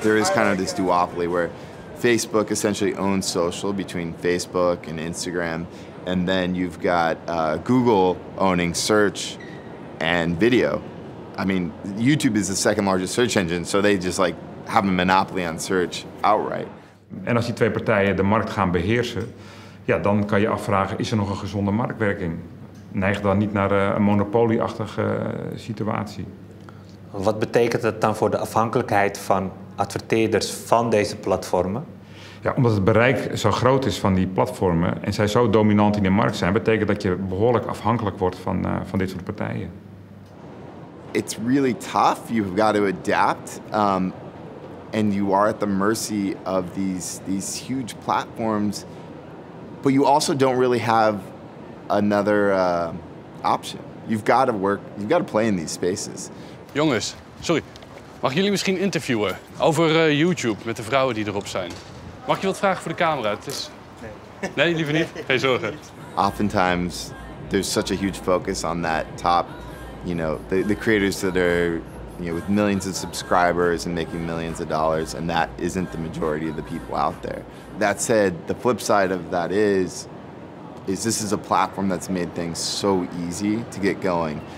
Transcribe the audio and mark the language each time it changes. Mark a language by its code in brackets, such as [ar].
[en] There is kind of this duopoly where Facebook essentially owns social between Facebook and Instagram, and then you've got Google owning search and video. I mean, YouTube is the second largest search engine, so they just like have a monopoly on search outright. [nl] En als die twee partijen de markt gaan beheersen, ja, dan kan je afvragen, is er nog een gezonde marktwerking? Neig dan niet naar een monopolieachtige situatie. Wat betekent het dan voor de afhankelijkheid van adverteerders van deze platformen? Ja, omdat het bereik zo groot is van die platformen en zij zo dominant in de markt zijn, betekent dat je behoorlijk afhankelijk wordt van dit soort partijen. [en] It's really tough. You've got to adapt. And you are at the mercy of these huge platforms, but you also don't really have another option. You've got to work, you've got to play in these spaces. [nl] Jongens, sorry. Mag ik jullie misschien interviewen over YouTube met de vrouwen die erop zijn? Mag ik je wat vragen voor de camera? Het is... Nee. Nee, liever niet. Geen zorgen. [en] Oftentimes, there's such a huge focus on that top, you know, the creators that are, you know, with millions of subscribers and making millions of dollars, and that isn't the majority of the people out there. That said, the flip side of that is this is a platform that's made things so easy to get going.